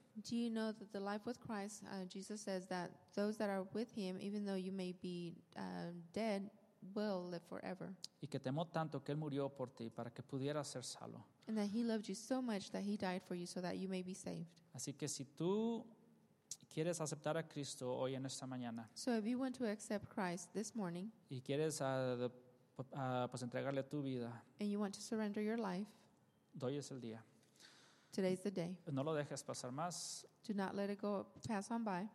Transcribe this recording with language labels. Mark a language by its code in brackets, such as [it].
[en] Do you know that the life with Christ, Jesus says that those that are with him, even though you may be dead, will live forever. [es] Y que te amó tanto que él murió por ti para que pudieras ser salvo. [en] And that he loved you so much that he died for you so that you may be saved. [es] Así que si tú quieres aceptar a Cristo hoy en esta mañana. [en] So if you want to accept Christ this morning. [es] Y quieres pues entregarle tu vida. [en] And you want to surrender your life. [es] Hoy es el día. [en] Today's the day. [es] No lo dejes pasar más. [en] Do not let it go pass on by.